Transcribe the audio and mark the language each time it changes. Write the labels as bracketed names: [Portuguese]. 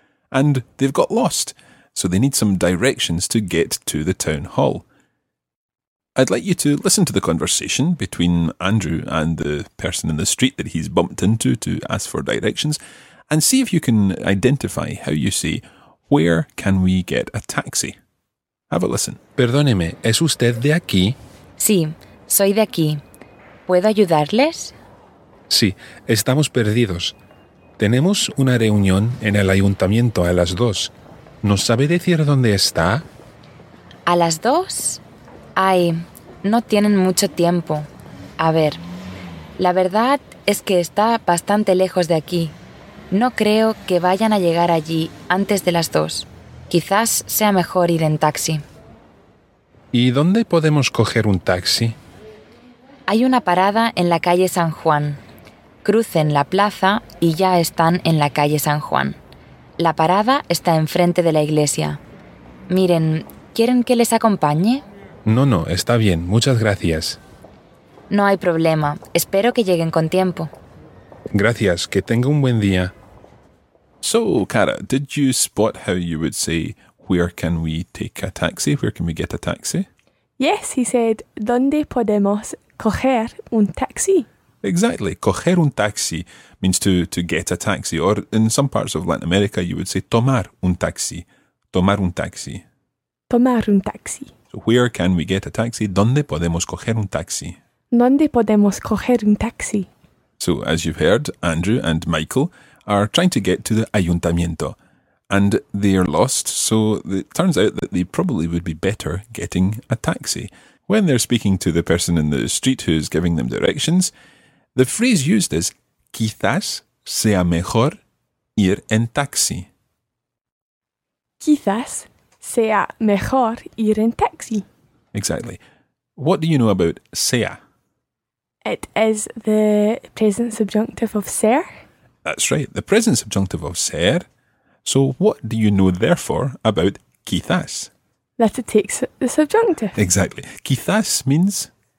[English] And they've got lost, so they need some directions to get to the town hall. I'd like you to listen to the conversation between Andrew and the person in the street that he's bumped into to ask for directions, and see if you can identify how you say, where can we get a taxi? Have a listen. [Spanish] Perdóneme, ¿es usted de aquí? Sí, soy de aquí. ¿Puedo ayudarles? Sí, estamos perdidos. Tenemos una reunión en el ayuntamiento a las 2. ¿Nos sabe decir dónde está? ¿A las 2? Ay, no tienen mucho tiempo. A ver, la verdad es que está bastante lejos de aquí. No creo que vayan a llegar allí antes de las 2. Quizás sea mejor ir en taxi. ¿Y dónde podemos coger un taxi? Hay una parada en la calle San Juan. Crucen la plaza y ya están en la calle San Juan. La parada está enfrente de la iglesia. Miren, ¿quieren que les acompañe? No, está bien, muchas gracias. No hay problema, espero que lleguen con tiempo. Gracias, que tenga un buen día. [English] So, Cara, did you spot how you would say, where can we take a taxi? Where can we get a taxi? Yes, he said, [Spanish] ¿dónde podemos coger un taxi? [English] Exactly. [Spanish] Coger un taxi [English] means to get a taxi. Or in some parts of Latin America, you would say, [Spanish] tomar un taxi. Tomar un taxi. Tomar un taxi. [English] So, where can we get a taxi? [Spanish] ¿Dónde podemos coger un taxi? ¿Dónde podemos coger un taxi? [English] So, as you've heard, Andrew and Michael are trying to get to the ayuntamiento, and they are lost, so it turns out that they probably would be better getting a taxi. When they're speaking to the person in the street who's giving them directions, the phrase used is, [Spanish] quizás sea mejor ir en taxi. Quizás sea mejor ir en taxi. [English] Exactly. What do you know about sea? It is the present subjunctive of ser. That's right, the present subjunctive of ser. So what do you know, therefore, about quizás? That it takes the subjunctive. Exactly. Quizás means?